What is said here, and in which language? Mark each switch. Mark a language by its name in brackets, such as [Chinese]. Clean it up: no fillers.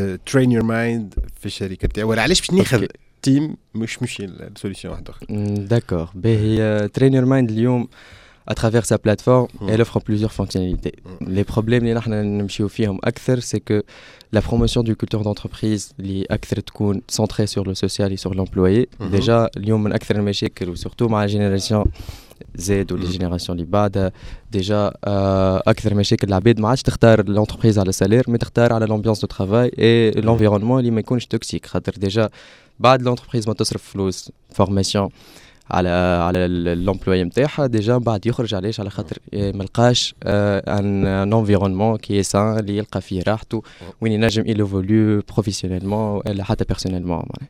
[Arabic] Train your mind في الشركة تاعي، ولا علاش باش ناخذ تيم مش سوليسيون واحد اخر؟ داكور، باهي [French] Train your mind [Arabic] اليوم [French] à travers sa plateforme elle offre plusieurs fonctionnalités. Les problèmes [Arabic] اللي احنا نمشيو فيهم اكثر [French] c'est que la promotion du culture d'entreprise [Arabic] اللي اكثر تكون [French] centrée sur le social et sur l'employé. Déjà [Arabic] اليوم من اكثر المشاكل وسورتو مع الجينيراسيون Z [French] ou les générations Libad, déjà, [Arabic] أكثر مشاكل العباد ما عادش تختار [French] l'entreprise à le salaire, mais تختار à l'ambiance de travail et l'environnement [Arabic] اللي ما يكونش [French] toxique. [Arabic] خاطر déjà, بعد l'entreprise ما تصرف فلوس formation على l'employé متاعها, déjà, بعد يخرج عليه على خاطر ما لقاش [French] un environnement qui est sain, [Arabic] اللي يلقى فيه راحته, وين ينجم يلوفولو professionnellement ou حتى personnellement.